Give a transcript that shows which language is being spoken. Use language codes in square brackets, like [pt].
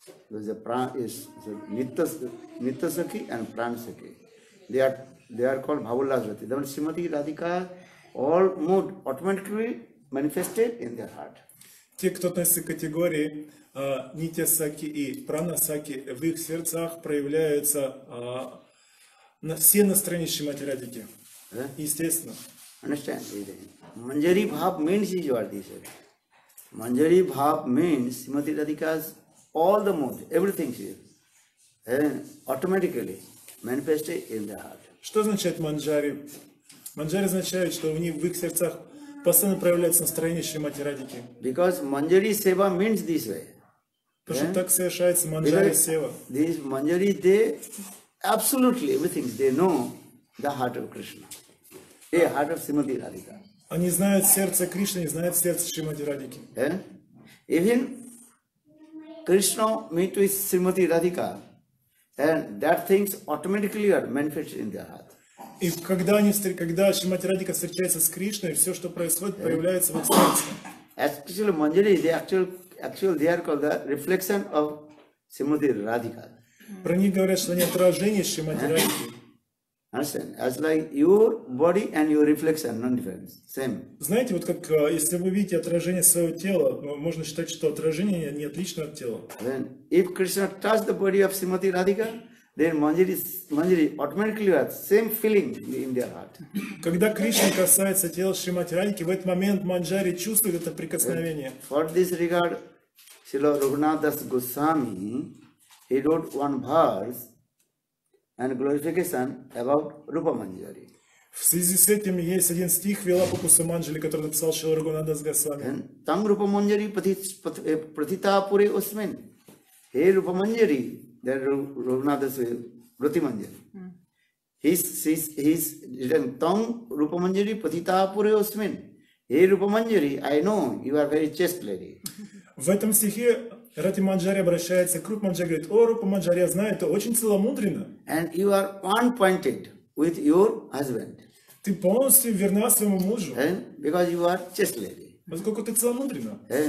[en] There's a prana is so Nitya Sakhi and Prana Sakhi. They are called Bhavullas Roti. Then Srimati Radhika, all mood automatically manifested in their heart. [ru] Те, кто относится к категории Нитья Сакхи и Прана Сакхи, в их сердцах проявляются на все настроения Шримати Радхики. Естественно. [en] Understand? Manjari Bhav means is what this is. Manjari Bhav means Srimati Radhika's all the mood, everything here, automatically manifested in the heart. [ru] Что означает Манджари? Манджари означает, что в их сердцах постоянно проявляется настроение Шримати Радхики. [en] Because Manjari Seva means this way. [ru] Потому что так совершается Манджари Сева. [en] These Manjari, they absolutely everything, they know the heart of Krishna. The heart of Srimati Radhika. [ru] Они знают сердце Кришны, они знают сердце Шримати Радхики. [en] Even Krishna meet with Srimati Radhika, and that things automatically are manifested in their heart. [ru] И когда Шримати Радхика встречается с Кришной, все, что происходит, проявляется в их сердце. [en] Actually, Manjari, actually they are called the reflection of Srimati Radhika. [ru] Про них говорят, что они отражение Шримати Радхики. [en] Understand? As like your body and your reflection, no difference. Same. [ru] Знаете, вот как если вы видите отражение своего тела, можно считать, что отражение не отлично от тела. [en] Then, if Krishna touch the body of Srimati Radhika, then Manjari automatically has same feeling in their heart. [ru] Когда Кришна касается тела Шримати Радхики, в этот момент Манджари чувствует это прикосновение. [en] For this regard, Srila Raghunath Das Goswami, he wrote one verse and glorification about Rupa Manjari. [ru] В связи с этим есть один стих Вилапакуса Манджали, который написал Шрила Рагунатха Дас Госвами. [sa] Там Рупа Манджари Пратита Пуре Осмин. [en] He Rupa Manjari, then Raghunath Das Rati Manjari. He's written [sa] Tam Rupa Manjari Pratita Pure Osmin. [en] He Rupa Manjari, I know you are very chaste lady. [ru] В этом стихе Рати Манджари обращается к Рупа Манджари, говорит: «О, Рупа Манджари, я знаю, это очень целомудренно». [en] And you are one-pointed with your husband. [ru] Ты полностью верна своему мужу. [en] And because you are chaste lady. [ru] Поскольку ты целомудренна.